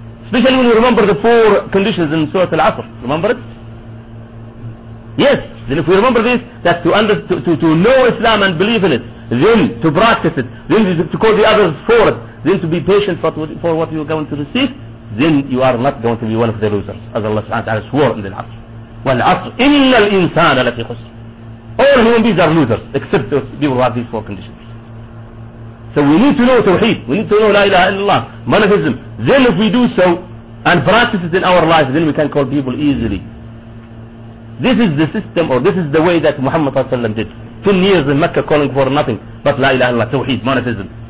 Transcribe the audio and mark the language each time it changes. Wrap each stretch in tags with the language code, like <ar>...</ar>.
<en>Especially when you remember the four conditions in Surah Al-Asr. Remember it? Yes. Then if we remember this, that to know Islam and believe in it, then to practice it, then to call the others for it, then to be patient for what you are going to receive, then you are not going to be one of the losers, as Allah subhanahu wa ta'ala swore in the Al-Asr.</en> <ar>Wal-Asr, إِنَّ الْإِنسَانَ لَفِي خُسْرٍ.</ar> <en>All human beings are losers, except those people who have these four conditions. So we need to know Tawheed, we need to know La ilaha illallah, monotheism. Then if we do so, and practice it in our life, then we can call people easily. This is the system, or this is the way that Muhammad ﷺ did. 10 years in Mecca calling for nothing, but La ilaha illallah, Tawheed, monotheism.</en>